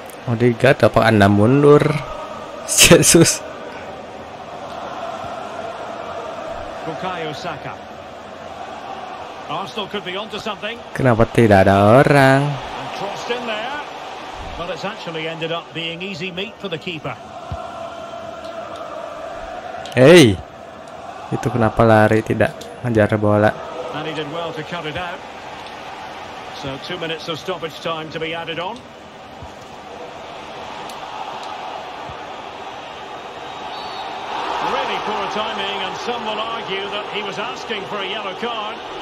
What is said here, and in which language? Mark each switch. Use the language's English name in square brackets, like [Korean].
[Indonesian] Odegaard, apa Anda mundur? Jesus. Bukayo Saka. [English] Arsenal could be onto something. [Indonesian] Kenapa tidak ada orang? [English] And crossed in there. Well, it's actually ended up being easy meat for the keeper. [Indonesian] Hey, itu kenapa lari tidak ngejar bola? [English] And he did well to cut it out. So 2 minutes of stoppage time to be added on. Really poor timing, and some will argue that he was asking for a yellow card.